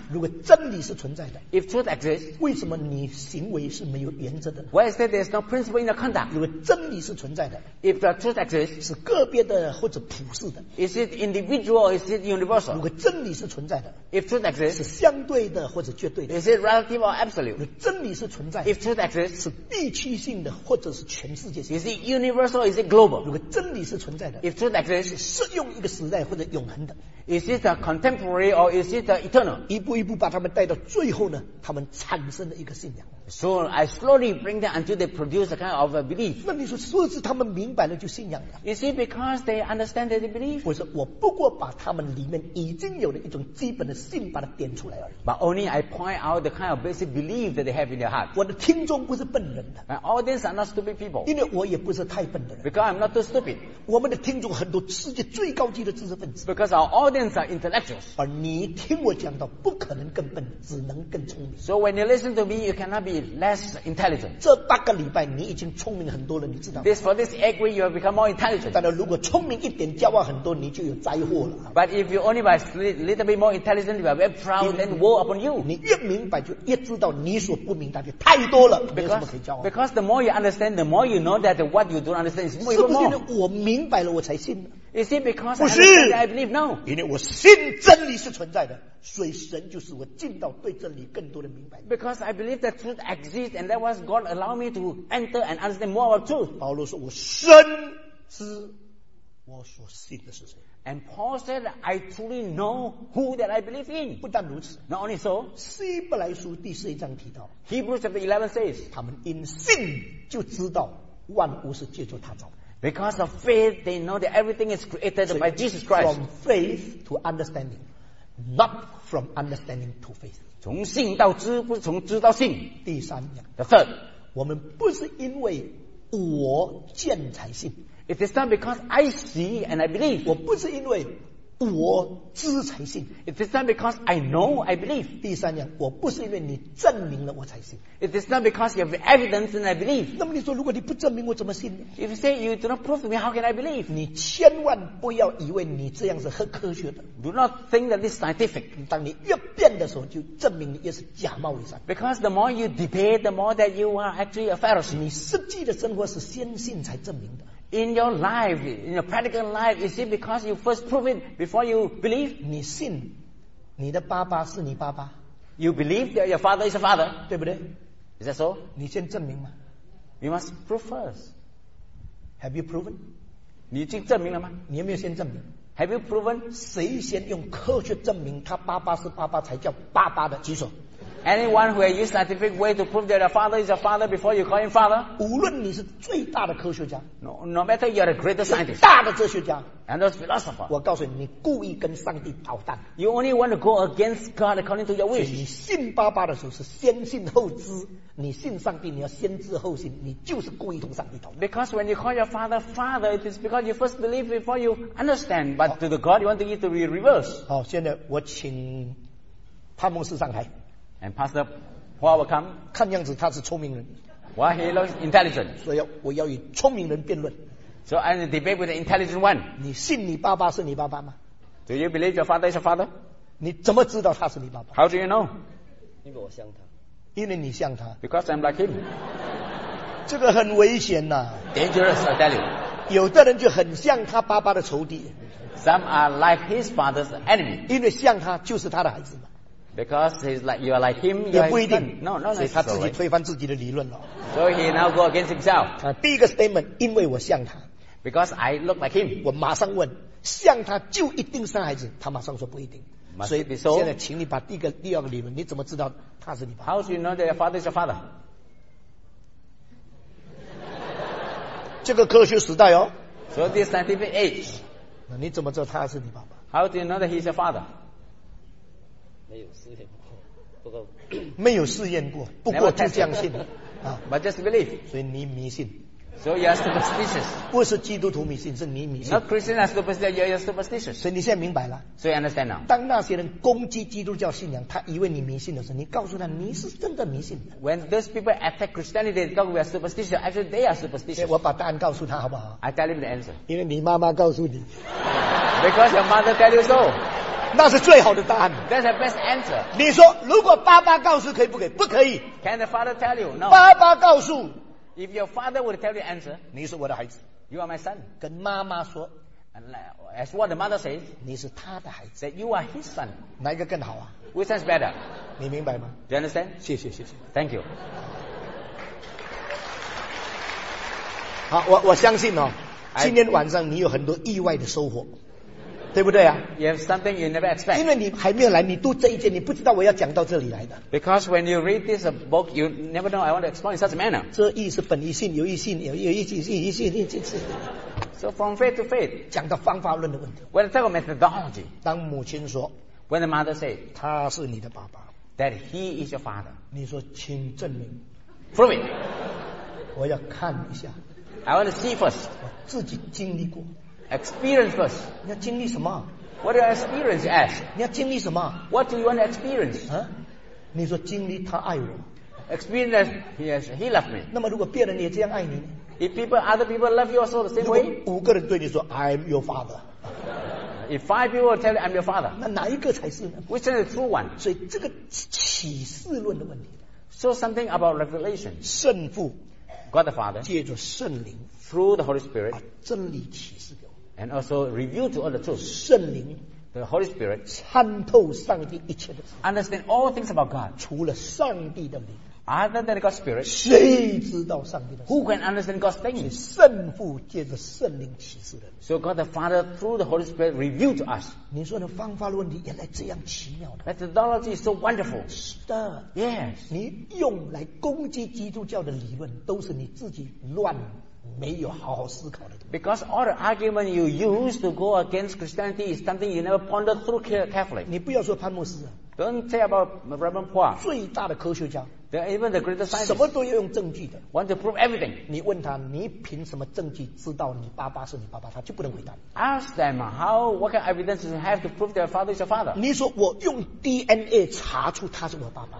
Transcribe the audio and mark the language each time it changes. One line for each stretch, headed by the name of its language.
Chinese: 如果真理是存在的
English: ，If truth exists,
Chinese: 为什么你行为是没有原则的
English: ？Why is that there's no principle in your conduct?
Chinese: 如果真理是存在的
English: ，If the truth exists,
Chinese: 是个别的或者普世的
English: ？Is it individual or is it universal?
Chinese: 如果真理是存在的
English: ，If truth exists,
Chinese: 是相对的或者绝对的
English: ？Is it relative? Or absolute.
Chinese: 真理是存在的。
English: If truth exists,
Chinese: 是地区性的或者是全世界性的。
English: Is it universal? Is it global?
Chinese: 如果真理是存在的。
English: If truth exists,
Chinese: 是适用一个时代或者永恒的。
English: Is it a contemporary or is it a eternal?
Chinese: 一步一步把他们带到最后呢，他们产生了一个信仰。
English: So I slowly bring them until they produce a kind of a belief.
Chinese: 那你说是不是他们明白了就信仰了
English: ？Is it because they understand that they believe?
Chinese: 不是，我不过把他们里面已经有的一种基本的信把它点出来而已。
English: But only I point out the kind of basic belief that they have in their heart.
Chinese: 我的听众不是笨人的。
English: My audience are not stupid people.
Chinese: 因为我也不是太笨的人。
English: Because I'm not too stupid.
Chinese: 我们的听众很多世界最高级的知识分子。
English: Because our audience are intellectuals.
Chinese: 而你听我讲到，不可能更笨，只能更聪明。
English: So when you listen to me, you cannot be less intelligent.
Chinese: 这八个礼拜你已经聪明很多了，你知道吗
English: ？This for this eight week you have become more intelligent.
Chinese: 但是如果聪明一点，骄傲很多，你就有灾祸了。
English: But if you only by little bit more intelligent, you are very proud and war upon you.
Chinese: 你越明白就越知道你所不明白的太多了，没什么可以骄傲。
English: Because the more you understand, the more you know that what you don't understand is even more.
Chinese: 是不是因为我明白了我才信？
English: Is it because I understand that I believe? No.
Chinese: 因为我信真理是存在的，所以神就是我进到对真理更多的明白。
English: Because I believe that truth exists, and that was God allow me to enter and understand more about truth.
Chinese: 保罗说：“我深知我所信的是谁。”
English: And Paul said, "I truly know who that I believe in."
Chinese: 不但如此
English: ，Not only so.
Chinese: 希伯来书第四章提到
English: ，Hebrews chapter 11 says,
Chinese: 他们因信就知道万物是借着他造。
English: Because of faith, they know that everything is created by Jesus Christ. From faith to understanding, not from understanding to faith.
Chinese: 从信到知，不是从知到信。第三点
English: ，The third,
Chinese: 我们不是因为我见才信。
English: It is not because I see and I believe.
Chinese: 我不是因为我知才信。
English: It is not because I know, I believe.
Chinese: 第三样，我不是因为你证明了我才信。
English: It is not because you have evidence and I believe.
Chinese: 那么你说，如果你不证明，我怎么信呢？
English: If you say you do not prove to me, how can I believe?
Chinese: 你千万不要以为你这样是很科学的。
English: Do not think that this is scientific.
Chinese: 当你越辩的时候，就证明你也是假冒伪善。
English: Because the more you debate, the more that you are actually a Pharisee.
Chinese: 你实际的生活是先信才证明的。
English: In your life, in your practical life, is it because you first prove it before you believe?
Chinese: 你信，你的爸爸是你爸爸。
English: You believe that your father is a father,
Chinese: 对不对？
English: Is that so?
Chinese: 你先证明嘛。
English: You must prove first. Have you proven?
Chinese: 你已经证明了吗？你有没有先证明？
English: Have you proven?
Chinese: 谁先用科学证明他爸爸是爸爸才叫爸爸的？举手。
English: Anyone who has used scientific way to prove that a father is a father before you call him father?
Chinese: 无论你是最大的科学家，
English: no matter you are the greatest scientist,
Chinese: 大的哲学家，
English: and those philosopher,
Chinese: 我告诉你，你故意跟上帝捣蛋。
English: You only want to go against God according to your wish.
Chinese: 你信爸爸的时候是先信后知，你信上帝你要先知后信，你就是故意同上帝捣蛋。
English: Because when you call your father father, it is because you first believe before you understand. But to the God, you want it to be reversed.
Chinese: 好，现在我请潘牧师上台。
English: And Pastor Hua will come.
Chinese: 看样子他是聪明人。
English: Well, he looks intelligent.
Chinese: 所以我要与聪明人辩论。
English: So I need to debate with an intelligent one.
Chinese: 你信你爸爸是你爸爸吗？
English: Do you believe your father is your father?
Chinese: 你怎么知道他是你爸爸？
English: How do you know?
Chinese: 因为我像他。因为你像他。
English: Because I'm like him.
Chinese: 这个很危险呐。
English: Dangerous, I tell you.
Chinese: 有的人就很像他爸爸的仇敌。
English: Some are like his father's enemy.
Chinese: 因为像他就是他的孩子嘛。
English: Because he's like you are like him,
Chinese: 也不一定。
English: No,
Chinese: 所以他自己推翻自己的理论了。
English: So he now go against himself.
Chinese: 第一个 statement， 因为我像他。
English: Because I look like him.
Chinese: 我马上问，像他就一定是孩子？他马上说不一定。
English: Must、
Chinese: 所以
English: so,
Chinese: 现在请你把第二个理论，你怎么知道他是你爸爸
English: ？How do you know that your father is your father？
Chinese: 这个科学时代哦。
English: So this scientific age。
Chinese: 那你怎么知道他是你爸爸
English: ？How do you know that he's your father？
Chinese: 没有试验过，不过没有试验过，不过就相信了
English: 啊。But just believe，
Chinese: 所以你迷信。
English: So you are superstitious，
Chinese: 不是基督徒迷信，是你迷信。
English: Not Christian are superstitious， you are superstitious。
Chinese: 所以你现在明白了。
English: So you understand now。
Chinese: 当那些人攻击基督教信仰，他以为你迷信的时候，你告诉他你是真的迷信的。
English: When those people attack Christianity, they think we are superstitious. Actually, they are superstitious。
Chinese: 我把答案告诉他好不好
English: ？I tell him the answer。
Chinese: 因为你妈妈告诉你。
English: Because your mother tell you so。
Chinese: 那是最好的答案。
English: That's the best answer。
Chinese: 你说，如果爸爸告诉可以不可以？不可以。
English: Can the father tell you? No。
Chinese: 爸爸告诉。
English: If your father would tell you answer。
Chinese: 你是我的孩子。
English: You are my son。
Chinese: 跟妈妈说。
English: As what the mother says。
Chinese: 你是他的孩子。
English: That you are his son。
Chinese: 哪一个更好啊
English: ？Which one's better？
Chinese: 你明白吗
English: ？Do you understand？
Chinese: 谢谢。
English: Thank you。
Chinese: 好，我相信哦，今天晚上你有很多意外的收获。对不对啊
English: ？You have something you never expect.
Chinese: 因为你还没有来，你读这一节，你不知道我要讲到这里来的。
English: Because when you read this book, you never know I want to explain in such a manner.
Chinese: 这义是本义性，由义性，由义性，义性，义性。
English: So from faith to faith.
Chinese: 讲到方法论的问题。
English: When I talk about methodology.
Chinese: 当母亲说。
English: When the mother say.
Chinese: 他是你的爸爸。
English: That he is your father.
Chinese: 你说请证明。
English: Prove it.
Chinese: 我要看一下。
English: I want to see first.
Chinese: 我自己经历过。
English: Experience first.
Chinese: 你要经历什么
English: ？What do you experience as?
Chinese: 你要经历什么
English: ？What do you want to experience?
Chinese: 啊，你说经历他爱我。
English: Experience he loved me.
Chinese: 那么如果别人也这样爱你
English: ？If other people love you also the same way.
Chinese: 如果五个人对你说
English: I'm your father. If five people tell you I'm your father.
Chinese: 那哪一个才是呢
English: ？Which is the true one?
Chinese: 所以这个启示论的问题。
English: So something about revelation.
Chinese: 圣父
English: ，God the Father.
Chinese: 借着圣灵
English: ，through the Holy Spirit.
Chinese: 把真理启示。
English: And also reveal to all the truth.
Chinese: 圣灵
English: the Holy Spirit
Chinese: 参透上帝一切的事
English: Understand all things about God.
Chinese: 除了上帝的灵
English: Other than God's Spirit.
Chinese: 谁知道上帝的事
English: Who can understand God's things?
Chinese: 圣父借着圣灵启示的
English: So God the Father through the Holy Spirit reveal to us.
Chinese: 你说的方法论题原来这样奇妙的
English: Methodology is so wonderful.
Chinese: 是的
English: Yes.
Chinese: 你用来攻击基督教的理论都是你自己乱没有好好思考的
English: Because all the argument you use to go against Christianity is something you never pondered through carefully.
Chinese: 你不要说潘牧师啊
English: Don't say about Reverend Hua.
Chinese: 最大的科学家。
English: They're even the greatest scientists.
Chinese: 什么都要用证据的。
English: Want to prove everything.
Chinese: 你问他，你凭什么证据知道你爸爸是你爸爸？他就不能回答。
English: Ask them how, what kind of evidence do you have to prove their father is your father?
Chinese: 你说我用 DNA 查出他是我爸爸。